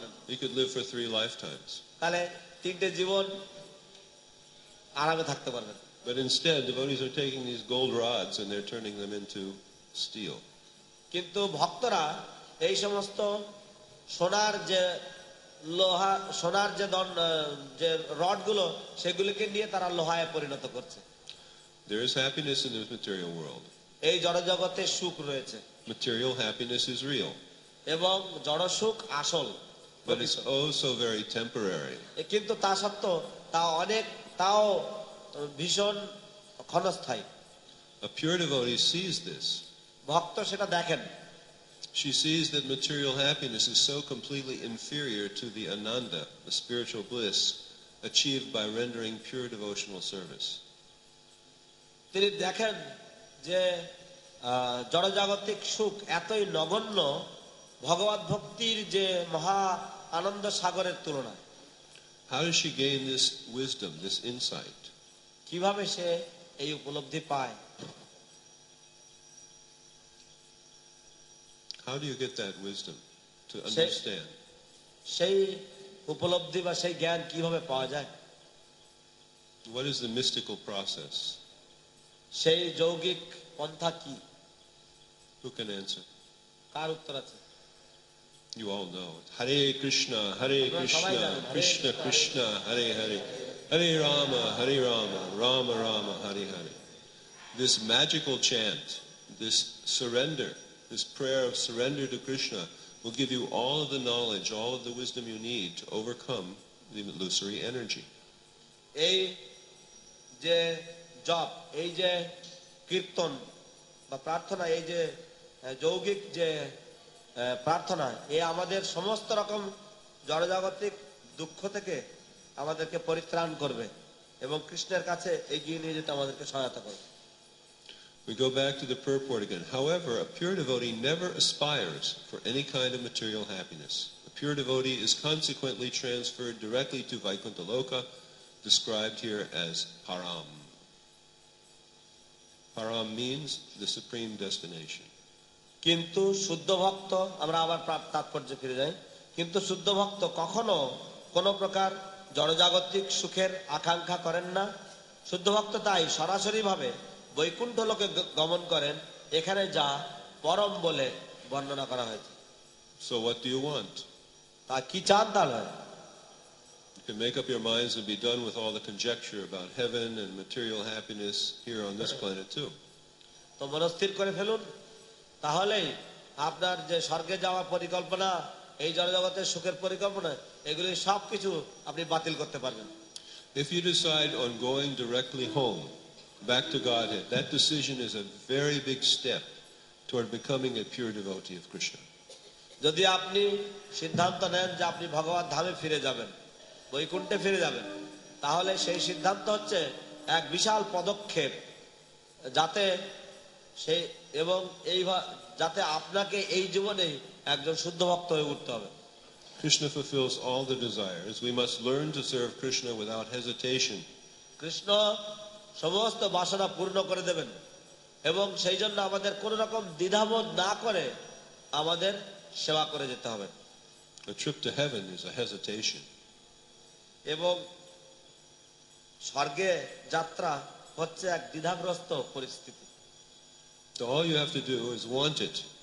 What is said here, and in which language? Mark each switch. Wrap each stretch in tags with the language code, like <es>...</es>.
<en>he could live for three lifetimes. He could live for three lifetimes. But instead, devotees are taking these gold rods and they're turning them into steel.</en> <bn>কিন্তু ভক্তরা এই সমস্ত সোনার যে লোহা, সোনার যে যে রডগুলো, সেগুলোকে নিয়ে তারা লোহায় পরিণত করছে।</bn> <en>There is happiness in this material world.</en> <bn>এই জড়জগতে সুখ রয়েছে।</bn> <en>Material happiness is real.</en> <bn>এবং জড়সুখ আসল।</bn> <en>But it's also very temporary.</en> <bn>কিন্তু তা সত্ত্বেও তা অনেক তাও ভীষণ ক্ষণস্থায়ী।</bn> <en>A pure devotee sees this.</en> <bn>ভক্ত সেটা দেখেন।</bn> <en>She sees that material happiness is so completely inferior to the ananda, the spiritual bliss achieved by rendering pure devotional service.</en> <bn>তিনি দেখেন যে জড়জাগতিক সুখ এতই নগণ্য ভগবত ভক্তির যে মহা আনন্দ সাগরের তুলনায়।</bn> <en>How does she gain this wisdom, this insight?</en> <bn>কিভাবে সে এই উপলব্ধি পায়?</bn> <en>How do you get that wisdom to understand?</en> <bn>সেই উপলব্ধি বা সেই জ্ঞান কিভাবে পাওয়া যায়?</bn> <en>What is the mystical process?</en> <bn>সেই যৌগিক পন্থা কি?</bn> <en>Who can answer?</en> <bn>কার উত্তর আছে?</bn> <en>You all know it. Hare Krishna, Krishna Krishna, Hare Hare, Hare Rama, Rama Rama, Hare Hare. This magical chant, this surrender, this prayer of surrender to Krishna will give you all of the knowledge, all of the wisdom you need to overcome the illusory energy.</en> <bn>এই যে জপ, এই যে কীর্তন বা প্রার্থনা, এই যে যৌগিক যে প্রার্থনা, এ আমাদের সমস্ত রকম জড়জাগতিক দুঃখ থেকে আমাদেরকে পরিত্রাণ করবে এবং কৃষ্ণের কাছে এগিয়ে নিয়ে যেতে আমাদেরকে সহায়তা করবে।</bn> <en>We go back to the purport again. However, a pure devotee never aspires for any kind of material happiness. A pure devotee is consequently transferred directly to Vaikuntha Loka, described here as Param. Param means the supreme destination.</en> <bn>কিন্তু শুদ্ধ ভক্ত, আমরা আবার তাৎপর্যে ফিরে যাই, কিন্তু শুদ্ধ ভক্ত কখনো কোন প্রকার জড়জাগতিক সুখের আকাঙ্ক্ষা করেন না। শুদ্ধ ভক্ত তাই সরাসরি ভাবে বৈকুণ্ঠ লোকে গমন করেন, এখানে যা পরম বলে বর্ণনা করা হয়েছে।</bn> <en>So what do you want?</en> <bn>তা কি চান তা নয়।</bn> <en>You can make up your minds and be done with all the conjecture about heaven and material happiness here on this planet too.</en> <bn>তো মনস্থির করে ফেলুন, তাহলেই আপনার যে স্বর্গে যাওয়ার পরিকল্পনা, এই জড়জগতের সুখের পরিকল্পনা, এগুলি সব কিছু আপনি বাতিল করতে পারবেন।</bn> <en>If you decide on going directly home, back to Godhead, that decision is a very big step toward becoming a pure devotee of Krishna.</en> <bn>যদি আপনি সিদ্ধান্ত নেন যে আপনি ভগবান ধামে ফিরে যাবেন, বৈকুণ্ঠে ফিরে যাবেন, তাহলে সেই সিদ্ধান্ত হচ্ছে এক বিশাল পদক্ষেপ, যাতে সে এবং এই যাতে আপনাকে এই জীবনে একজন শুদ্ধ ভক্ত হয়ে উঠতে হবে।</bn> <en>Krishna fulfills all the desires. We must learn to serve Krishna without hesitation.</en> <bn>Krishna সমস্ত বাসনা পূর্ণ করে দেবেন এবং সেই জন্য আমাদের কোন রকম দ্বিধাবোধ না করে আমাদের সেবা করে যেতে হবে।</bn> <en>A trip to heaven is a hesitation.</en> <bn>এবং স্বর্গে যাত্রা হচ্ছে এক দ্বিধাগ্রস্ত পরিস্থিতি।</bn> <en>So all you have to do is want it.</en>